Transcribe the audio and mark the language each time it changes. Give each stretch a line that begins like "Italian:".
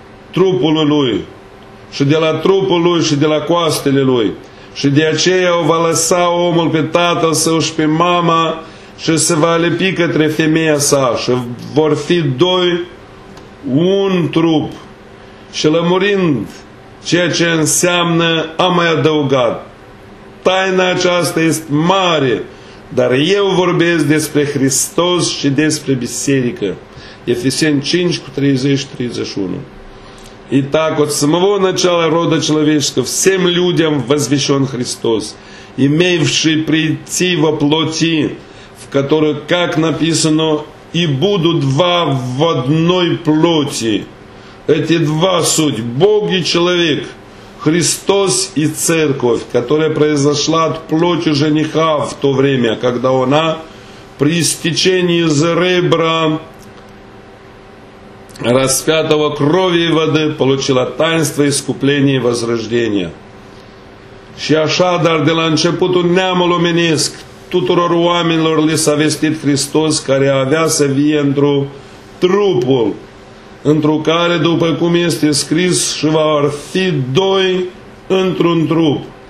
Romanian: trupului lui, și de la trupul lui și de la coastele lui, și de aceea o va lăsa omul pe tatăl său și pe mama și se va alepi către femeia sa și vor fi doi un trup. Și lămurind ceea ce înseamnă, am mai adăugat: taina aceasta este mare, dar eu vorbesc despre Hristos și despre biserică. Efeseni 5:30-31.
Russian: И так от самого начала рода человеческого всем людям возвещен Христос, имеющий прийти во плоти, в которую, как написано, и будут два в одной плоти. Эти два суть – Бог и человек, Христос и Церковь, которая произошла от плоти жениха в то время, когда она при истечении из ребра распятого крови и воды получила таинство искупления и возрождения.
Romanian: Și așa, dar de la începutul neamul omenesc, tuturor oamenilor li s-a vestit Hristos, care avea să vie într-o trupul, într-o care, după cum este scris, și va fi doi într-un trup.